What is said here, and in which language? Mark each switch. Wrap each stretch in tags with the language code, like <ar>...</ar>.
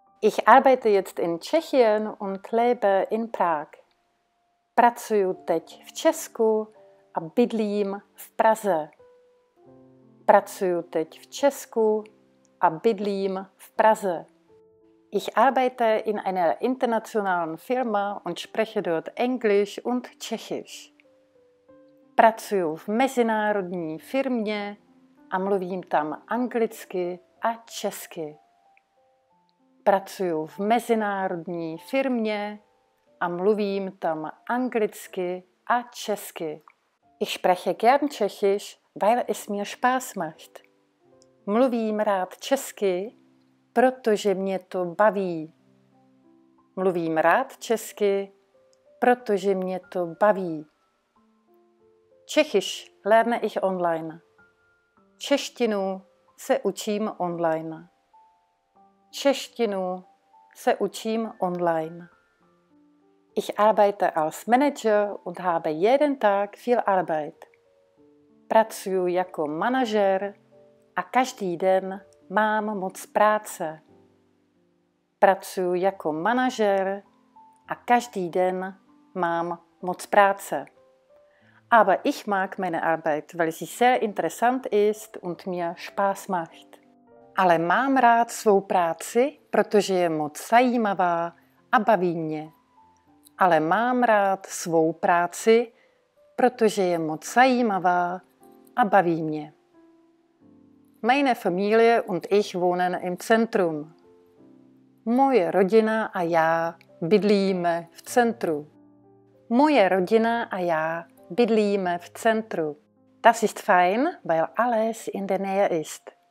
<de>Ich arbeite jetzt in Tschechien und lebe in Prag.</de> <cs>Pracuju teď v Česku a bydlím v Praze. Pracuju teď v Česku a bydlím v Praze.</cs> <de>Ich arbeite in einer internationalen Firma und spreche dort Englisch und Tschechisch.</de> <cs>Pracuju v mezinárodní firmě a mluvím tam anglicky a česky. Pracuju v mezinárodní firmě a mluvím tam anglicky a česky.</cs> <de>Ich spreche gern Tschechisch, weil es mir Spaß macht.</de> <cs>Mluvím rád česky, protože mě to baví. Mluvím rád česky, protože mě to baví.</cs> <de>Tschechisch lerne ich online.</de> <cs>Češtinu se učím online. Češtinu se učím online.</cs> <de>Ich arbeite als Manager und habe jeden Tag viel Arbeit.</de> <cs>Pracuju jako manažer a každý den mám moc práce. Pracuju jako manažer a každý den mám moc práce.</cs> <de>Aber ich mag meine Arbeit, weil sie sehr interessant ist und mir Spaß macht.</de> <cs>Ale mám rád svou práci, protože je moc zajímavá a baví mě. Ale mám rád svou práci, protože je moc zajímavá a baví mě.</cs> <de>Meine Familie und ich wohnen im Zentrum.</de> <cs>Moje rodina a já bydlíme v centru. Moje rodina a já bydlíme v centru.</cs> <de>Das ist fein, weil alles in der Nähe ist.</de>